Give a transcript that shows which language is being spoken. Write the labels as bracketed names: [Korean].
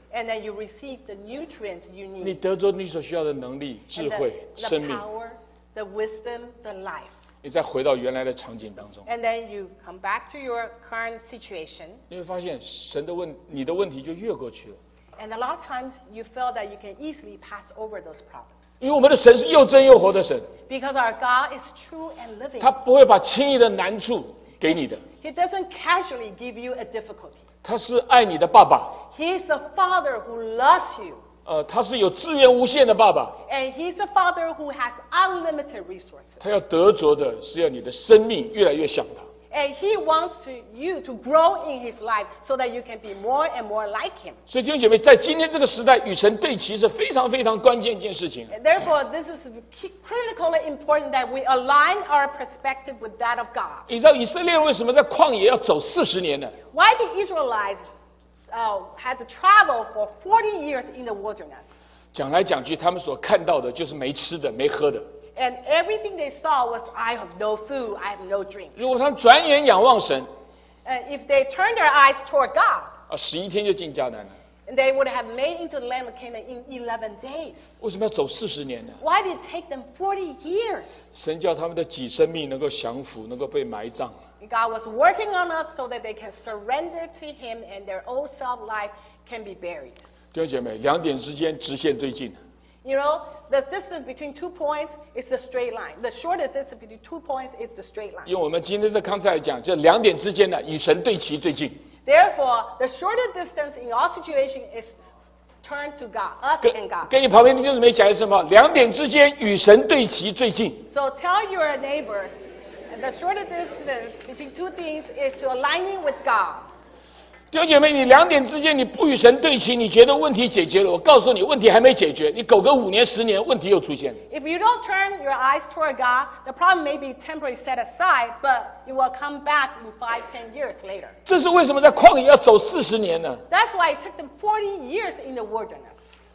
[English] And then you receive the nutrients you need. [Chinese] 你得着你所需要的能力、智慧、生命。 [English] The power, the wisdom, the life. [Chinese] 你再回到原来的场景当中。 [English] And then you come back to your current situation. [Chinese] 你会发现神的问你的问题就越过去了。 [English] And a lot of times you feel that you can easily pass over those problems. [Chinese] 因为我们的神是又真又活的神。 [English] Because our God is true and living. [Chinese] 他不会把轻易的难处给你的。 [English] He doesn't casually give you a difficulty. [Chinese] 他是爱你的爸爸。 [English] He is a father who loves you. [Chinese] 他是有资源无限的爸爸。 [English] And he is a father who has unlimited resources. [Chinese] 他要得着的是要你的生命越来越像他。 [English] And he wants you to grow in his life so that you can be more and more like him. [Chinese] 所以弟兄姐妹，在今天这个时代，与神对齐是非常非常关键一件事情。 [English] Therefore, this is critically important that we align our perspective with that of God. [Chinese] 你知道以色列为什么在旷野要走四十年呢？ [English] Why did Israelites had to travel for 40 years in the wilderness? [Chinese] 讲来讲去，他们所看到的就是没吃的，没喝的。 [English] And everything they saw was, I have no food, I have no drink. [Chinese] 如果他们转眼仰望神 [English] ，and if they turned their eyes toward God, [Chinese] 十一天就进迦南了。 [English] And they would have made into the land of Canaan in 11 days. [Chinese] 为什么要走四十年呢 [English] ？Why did it take them 40 years? [Chinese] 神叫他们的己生命能够降服，能够被埋葬。 [English] God was working on us so that they can surrender to Him and their old self life can be buried. [Chinese] 弟兄姐妹，两点之间直线最近。 [English] You know, the distance between two points is a straight line. The shortest distance between two points is the straight line. [Chinese] 用我们今天这刚才来讲，就两点之间呢，与神对齐最近。 [English] Therefore, the shortest distance in all situations is turn to God, us and God. [Chinese] 跟你旁边的弟兄姊妹讲什么？两点之间与神对齐最近。 [English] So tell your neighbors, the shortest distance between two things is aligning with God. [Chinese] 弟兄姐妹，你两点之间你不与神对齐，你觉得问题解决了？我告诉你，问题还没解决。你苟个五年十年，问题又出现了。 [English] If you don't turn your eyes toward God, the problem may be temporarily set aside, but it will come back in 5-10 years later. [Chinese] 这是为什么在旷野要走四十年呢 [English] ？That's why it took them 40 years in the wilderness.